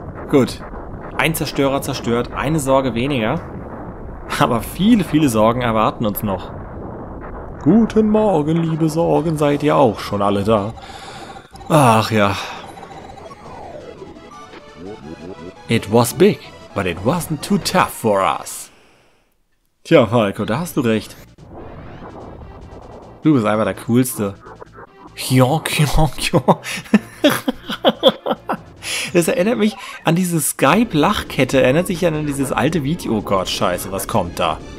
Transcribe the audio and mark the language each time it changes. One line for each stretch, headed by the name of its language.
German: Gut. Ein Zerstörer zerstört, eine Sorge weniger. Aber viele, viele Sorgen erwarten uns noch. Guten Morgen, liebe Sorgen, seid ihr auch schon alle da? Ach ja.
English: It was big, but it wasn't too tough for us.
German: Tja, Falco, da hast du recht. Du bist einfach der Coolste. Jonk, jonk, jonk. Das erinnert mich an diese Skype-Lachkette. Erinnert sich an dieses alte Video. Oh Gott, scheiße, was kommt da?